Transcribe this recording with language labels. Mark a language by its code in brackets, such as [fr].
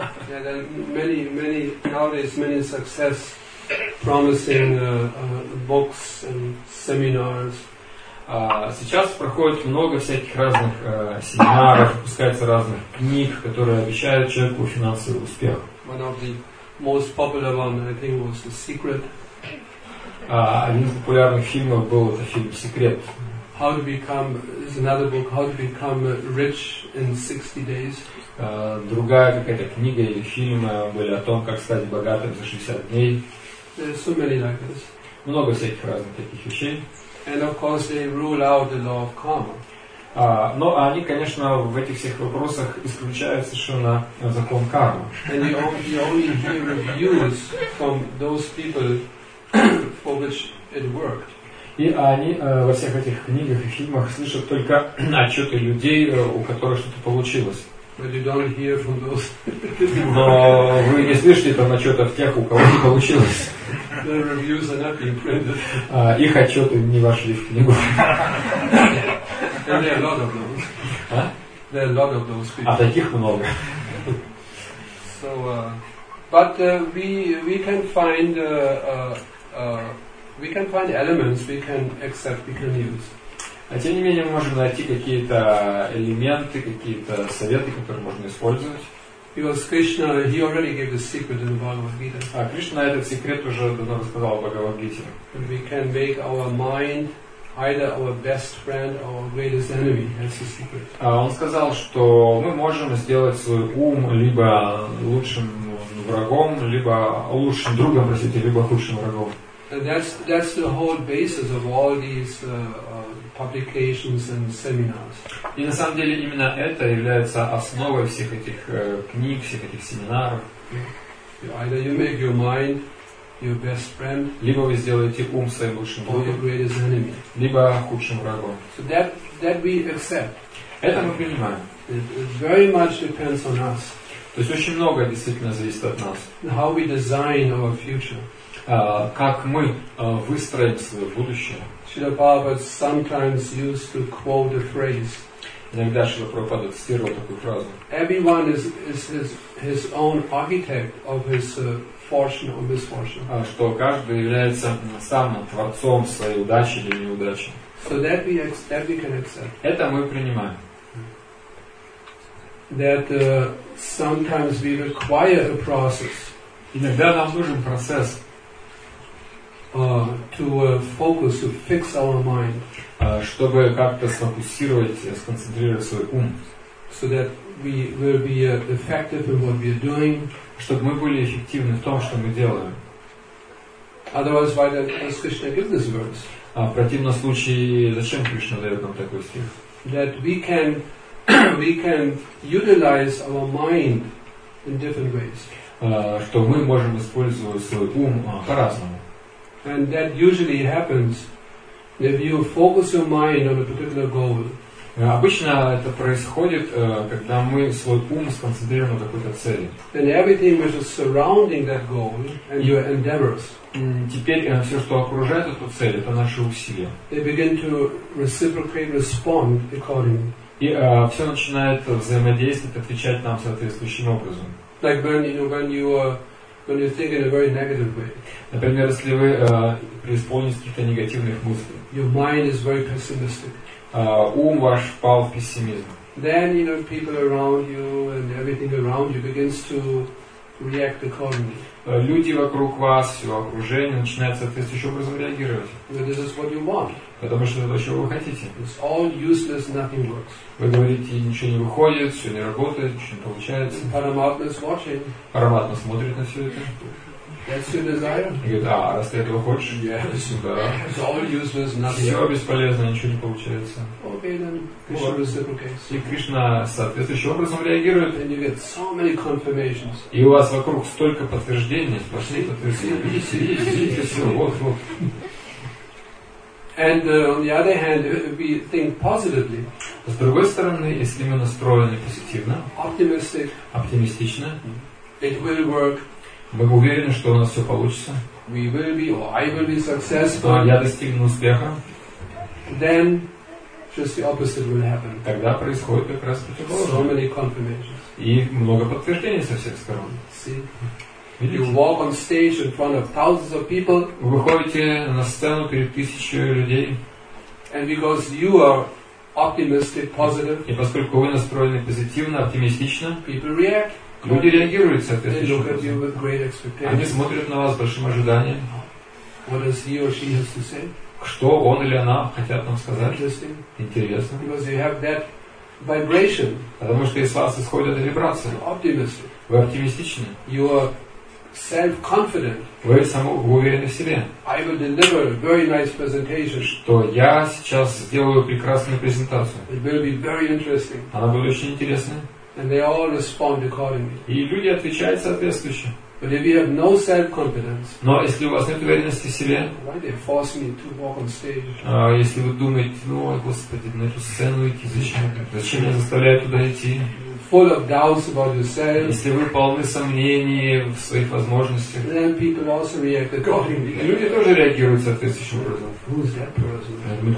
[en] Yeah, many nowadays success promising books and seminars. [ru] Сейчас проходит много всяких разных семинаров, выпускается разных книг, которые обещают человеку финансовый успех. [en] One of the most popular ones, I think, was The Secret. [ru] Один из популярных фильмов был это фильм «Секрет». [en] How to become is another book. How to become rich in 60 days. [ru] Другая какая-то книга или фильм были о том, как стать богатым за 60 дней. [en] So many like this. [ru] Много всяких разных таких вещей. [en] And of course they rule out the law of karma. [ru] Но они, конечно, в этих всех вопросах исключают совершенно закон кармы. [en] And you only hear reviews from those people for which it worked. [ru] И они во всех этих книгах и фильмах слышат только отчеты людей, у которых что-то получилось. [en] But you don't hear from those. [ru] Но вы не слышите там отчетов тех, у кого не получилось. [en] The reviews are not being printed. [ru] Их отчеты не вошли в книгу. [en] And there are a lot of those. There are a lot of those people. [ru] А таких много. [en] So, but we can find elements we can accept, we can use. [ru] А тем не менее мы можем найти какие-то элементы, какие-то советы, которые можно использовать. [en] Because Krishna, he already gave the secret in the Bhagavad Gita. [ru] А Кришна этот секрет уже давно рассказал в Бхагавад Гите. [en] We can make our mind either our best friend or our greatest enemy has a secret. [ru] Он сказал, что мы можем сделать свой ум либо лучшим врагом, либо лучшим другом, простите, либо худшим врагом. [en] And that's the whole basis of all these publications and seminars. [ru] И на самом деле именно это является основой всех этих книг, всех этих семинаров. [en] Either you make your mind your best friend, [ru] либо вы сделаете ум своим лучшим другом, либо худшим врагом. [en] So that we accept. [ru] Это мы понимаем. [en] It very much depends on us. [ru] То есть очень многое действительно зависит от нас. [en] How we design our future. [ru] Как мы выстроим свое будущее. [en] Srila Prabhupada sometimes used to quote a phrase. [ru] Иногда Шрила Прабхупада цитировал такую фразу. [en] Everyone is his own architect of his fortune or misfortune. [ru] Что каждый является сам творцом своей удачи или неудачи. [en] So that we can accept. [ru] Это мы принимаем. [en] That sometimes we require a process. [ru] Иногда нам нужен процесс. [en] To focus, to fix our mind. [ru] Чтобы как-то сфокусировать, сконцентрировать свой ум. [en] So that we will be effective in what we are doing. [ru] Чтобы мы были эффективны в том, что мы делаем. [en] Otherwise, why does Krishna give this verse? [ru] В противном случае, зачем Кришна дает нам такой стих? [en] That we can utilize our mind in different ways. [ru] Что мы можем использовать свой ум по-разному. [en] And that usually happens if you focus your mind on a particular goal. [ru] Обычно это происходит, когда мы свой ум сконцентрируем на какой-то цели. [en] And everything which is surrounding that goal and your endeavors. [ru] Теперь все, что окружает эту цель, это наши усилия. [en] They begin to reciprocate, respond accordingly. [ru] И все начинает взаимодействовать, отвечать нам соответствующим образом. [en] Like when you think in a very negative way. [ru] Например, если вы преисполнитесь каких-то негативных мыслей. [en] Your mind is very pessimistic. [ru] Ум ваш впал в пессимизм. [en] Then you know people around you and everything around you begins to react accordingly. [ru] Люди вокруг вас, все окружение начинает соответствующим образом реагировать. [en] But this is what you want. [ru] Потому что это чего вы хотите. [en] It's all useless, nothing works. [ru] Вы говорите, ничего не выходит, все не работает, ничего не получается. [en] Paramatma is watching. [ru] Paramatma смотрит на все это. [en] That's your desire. [ru] И говорит, раз ты этого хочешь, [en] yes. [ru] Да. [en] It's all useless, nothing. [ru] Все бесполезно, ничего не получается. [en] Okay, then Krishna reciprocates. [ru] И Кришна соответствующим образом реагирует. [en] And you get so many confirmations. [ru] И у вас вокруг столько подтверждений, пошли подтверждения. Сидите, все, вот. [en] And on the other hand, we think positively. [ru] С другой стороны, если мы настроены позитивно, оптимистично, [en] it will work. [ru] Мы уверены, что у нас все получится. [en] We will be, or I will be successful. [ru] Я достигну успеха. [en] Then just the opposite will happen. [ru] Тогда происходит как раз противоположное. [en] So many confirmations. [ru] И много подтверждений со всех сторон. [en] See? [ru] Видите? [en] You walk on stage in front of thousands of people. [ru] Вы выходите на сцену перед тысячей людей. [en] And because you are optimistic, positive. [ru] И поскольку вы настроены позитивно, оптимистично. [en] People react. [ru] Люди реагируют соответственно. [en] They look at you with great expectations. [ru] Они смотрят на вас с большим ожиданием. [en] What does he or she has to say? [ru] Что он или она хотят нам сказать? Интересно. [en] Because you have that vibration. [ru] Потому что из вас исходят вибрации. [en] Optimistic. [ru] Вы оптимистичны. [en] You are self-confident. [ru] Вы самоуверены в себе. [en] I will deliver a very nice presentation. [ru] Что я сейчас сделаю прекрасную презентацию. [en] It will be very interesting. [ru] Она будет очень интересной. [en] And they all respond accordingly. [ru] И люди отвечают соответствующе. [en] But if you have no self-confidence, [ru] но если у вас нет уверенности в себе, [en] why they force me to walk on stage? [ru] Если вы думаете, ну, господи, на эту сцену идти, зачем я заставляю туда идти? [en] Full of doubts about yourself. [ru] Если вы полны сомнений в своих возможностях, [en] then people also react accordingly. [ru] Люди тоже реагируют соответствующим образом. [en] Who's that person?